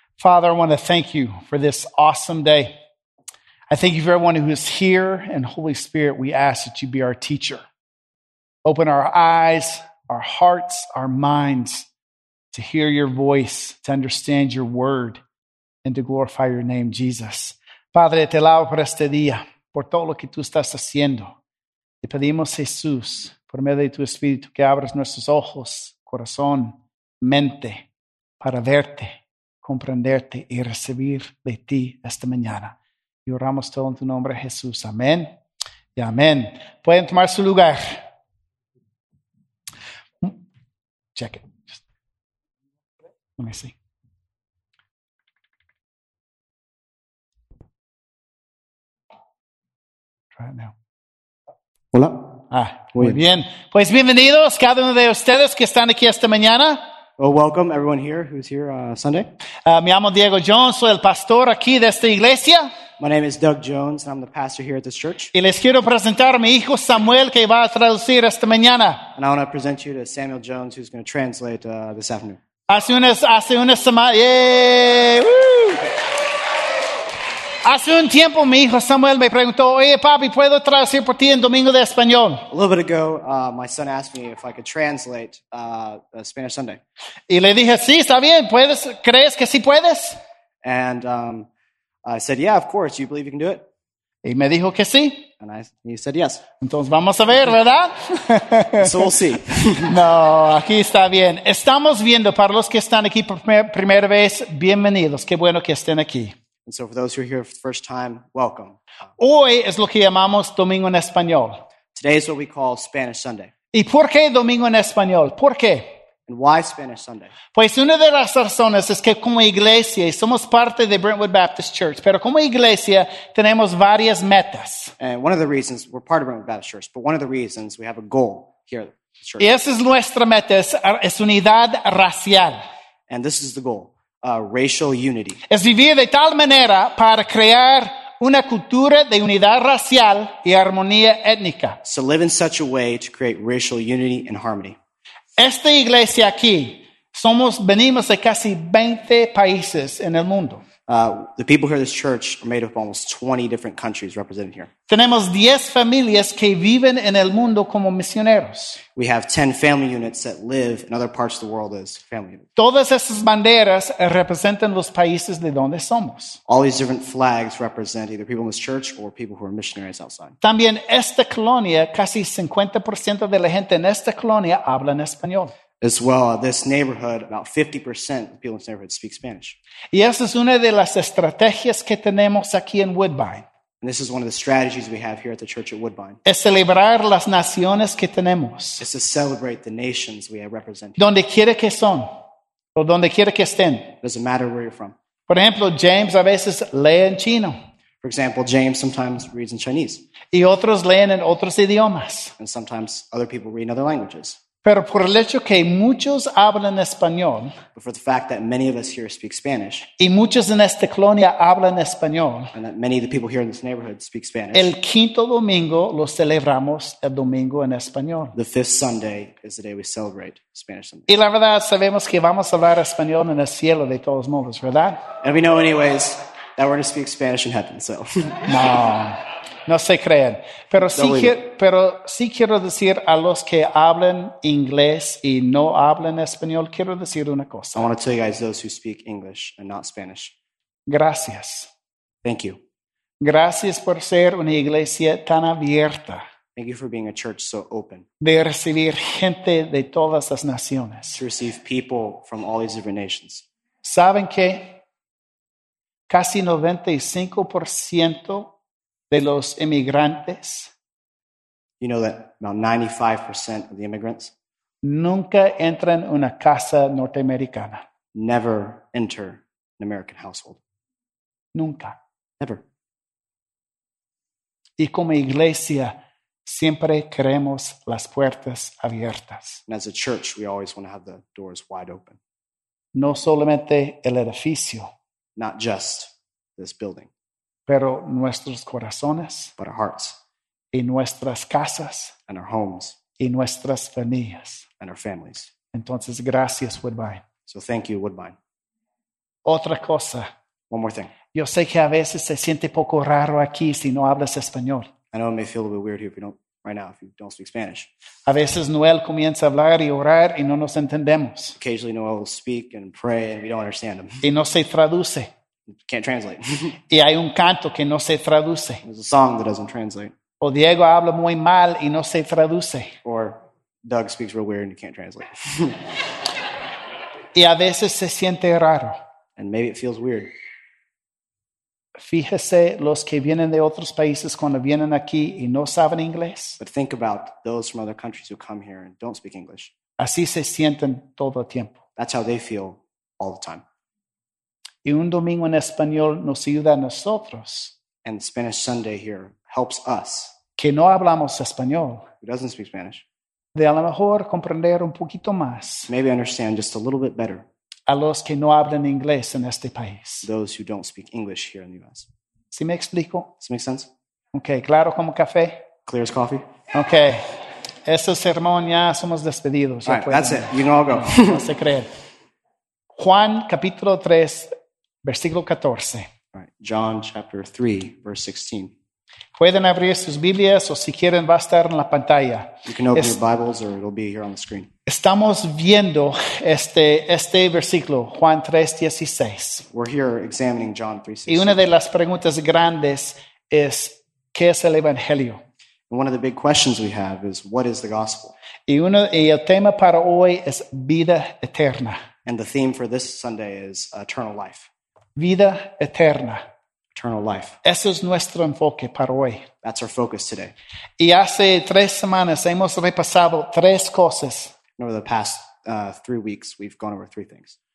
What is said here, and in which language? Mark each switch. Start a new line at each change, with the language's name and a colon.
English: Father, I want to thank you for this awesome day. I thank you for everyone who is here, and Holy Spirit, we ask that you be our teacher. Open our eyes, our hearts, our minds to hear your voice, to understand your word, and to glorify your name, Jesus.
Spanish: Padre, te alabo por este día, por todo lo que tú estás haciendo. Te pedimos, Jesús, por medio de tu espíritu, que abras nuestros ojos, corazón, mente, para verte. Comprenderte y recibir de ti esta mañana. Y oramos todo en tu nombre, Jesús. Amén y amén. Pueden tomar su lugar.
English: Check it. Just, let me see. Try it now.
Spanish: Hola. Ah, muy bien. Pues bienvenidos cada uno de ustedes que están aquí esta mañana.
English: Well, welcome everyone here who's here Sunday.
Spanish: Me llamo Diego Jones, soy el pastor aquí de esta iglesia.
English: My name is Doug Jones, and I'm the pastor here at this church.
Spanish: Y les quiero presentar a mi hijo Samuel, que va a traducir esta mañana.
English: And I want to present you to Samuel Jones, who's going to translate this afternoon.
Spanish: Hace una semana, yay! Hace un tiempo mi hijo Samuel me preguntó, oye papi, ¿puedo traducir por ti en Domingo de Español?
English: A little bit ago, my son asked me if I could translate Spanish Sunday.
Spanish: Y le dije, sí, está bien, ¿puedes? ¿Crees que sí puedes?
English: And I said, yeah, of course, you believe you can do it?
Spanish: Y me dijo que sí.
English: And he said yes.
Spanish: Entonces vamos a ver, ¿verdad?
English: So we'll see.
Spanish: No, aquí está bien. Estamos viendo, para los que están aquí por primera vez, bienvenidos, qué bueno que estén aquí.
English: And so for those who are here for the first time, welcome.
Spanish: Hoy es lo que llamamos Domingo en Español.
English: Today is what we call Spanish Sunday.
Spanish: ¿Y por qué Domingo en Español? ¿Por qué?
English: And why Spanish Sunday?
Spanish: Pues una de las razones es que como iglesia, y somos parte de Brentwood Baptist Church, pero como iglesia tenemos varias metas.
English: And one of the reasons, we're part of Brentwood Baptist Church, but one of the reasons we have a goal here at the church.
Spanish: Y esa es nuestra meta, es unidad racial.
English: And this is the goal. Racial unity.
Spanish: Es vivir de tal manera para crear una cultura de unidad racial y armonía étnica.
English: So live in such a way to create racial unity and harmony.
Spanish: Esta iglesia aquí, venimos de casi 20 países en el mundo.
English: The people here at this church are made up of almost 20 different countries represented here.
Spanish: Tenemos 10 familias que viven en el mundo como misioneros.
English: We have 10 family units that live in other parts of the world as family units.
Spanish: Todas esas banderas representan los países de donde somos.
English: All these different flags represent either people in this church or people who are missionaries outside.
Spanish: También esta colonia, casi 50% de la gente en esta colonia habla en español.
English: As well, this neighborhood, about 50% of people in this neighborhood speak Spanish.
Spanish: Y esa es una de las estrategias que tenemos aquí en Woodbine.
English: And this is one of the strategies we have here at the church at Woodbine.
Spanish: Es celebrar las naciones que tenemos.
English: It's to celebrate the nations we represent.
Spanish: Donde quiera que son, o donde quiera que estén.
English: Doesn't matter where you're from.
Spanish: Por ejemplo, James a veces lee en chino.
English: For example, James sometimes reads in Chinese.
Spanish: Y otros leen en otros idiomas.
English: And sometimes other people read in other languages.
Spanish: Pero por el hecho que muchos hablan español,
English: but for the fact that many of us here speak Spanish,
Spanish: y muchos en esta colonia hablan español,
English: and that many of the people here in this neighborhood speak Spanish,
Spanish: el quinto domingo lo celebramos el domingo en español.
English: The fifth Sunday is the day we celebrate Spanish Sunday.
Spanish: Y la verdad, sabemos que vamos a hablar español en el cielo de todos modos, ¿verdad?
English: And we know anyways that we're going to speak Spanish in heaven, so.
Spanish: No. No se creen, pero sí quiero decir a los que hablan inglés y no hablan español, quiero decir una cosa.
English: I want to tell you guys, those who speak English and not Spanish.
Spanish: Gracias.
English: Thank you.
Spanish: Gracias por ser una iglesia tan abierta.
English: Thank you for being a church so open.
Spanish: De recibir gente de todas las naciones.
English: To receive people from all these different nations.
Spanish: ¿Saben qué? Casi 95% de los inmigrantes.
English: You know that about 95% of the immigrants
Spanish: nunca entran una casa norteamericana.
English: Never enter an American household.
Spanish: Nunca.
English: Never.
Spanish: Y como iglesia siempre queremos las puertas abiertas.
English: And as a church, we always want to have the doors wide open.
Spanish: No solamente el edificio.
English: Not just this building.
Spanish: Pero nuestros corazones,
English: but our hearts,
Spanish: y nuestras casas,
English: and our homes,
Spanish: y nuestras familias,
English: and our families.
Spanish: Entonces, gracias, Woodbine.
English: So thank you, Woodbine.
Spanish: Otra cosa.
English: One more thing.
Spanish: Yo sé que a veces se siente poco raro aquí si no hablas español.
English: I know it may feel a little weird here if you don't, right now, if you don't speak Spanish.
Spanish: A veces Noel comienza a hablar y orar y no nos entendemos.
English: Occasionally Noel will speak and pray and we don't understand him.
Spanish: Y no se traduce.
English: Can't translate.
Spanish: Y hay un canto que no se traduce.
English: There's a song that doesn't translate.
Spanish: O Diego habla muy mal y no se traduce.
English: Or Doug speaks real weird and you can't translate.
Spanish: Y a veces se siente raro.
English: And maybe it feels weird.
Spanish: Fíjese los que vienen de otros países cuando vienen aquí y no saben inglés.
English: But think about those from other countries who come here and don't speak English.
Spanish: Así se sienten todo el tiempo.
English: That's how they feel all the time.
Spanish: Y un domingo en español nos ayuda a nosotros.
English: And Spanish Sunday here helps us.
Spanish: Que no hablamos español.
English: Who doesn't speak Spanish.
Spanish: De a lo mejor comprender un poquito más.
English: Maybe understand just a little bit better.
Spanish: A los que no hablan inglés en este país.
English: Those who don't speak English here in the U.S.
Spanish: ¿Sí me explico?
English: Does it make sense?
Spanish: Okay, claro como café.
English: Clear as coffee.
Spanish: Okay. Ese sermón ya somos despedidos.
English: All right, that's it. You can all go.
Spanish: No se creen. Juan capítulo 3, versículo 14.
English: All right, John chapter 3, verse 16.
Spanish: Pueden abrir sus Biblias o si quieren va a estar en la pantalla.
English: You can open your Bibles or it'll be here on the screen.
Spanish: Estamos viendo este versículo, Juan 3:16.
English: We're here examining John 3:16.
Spanish: Y una de las preguntas grandes es, ¿qué es el Evangelio?
English: And one of the big questions we have is, what is the gospel?
Spanish: Y el tema para hoy es vida eterna.
English: And the theme for this Sunday is eternal life.
Spanish: Vida eterna.
English: Eternal life.
Spanish: Ese es nuestro enfoque para hoy.
English: That's our focus today.
Spanish: Y hace tres semanas hemos repasado tres cosas.
English: Over the past 3 weeks, we've gone over three things.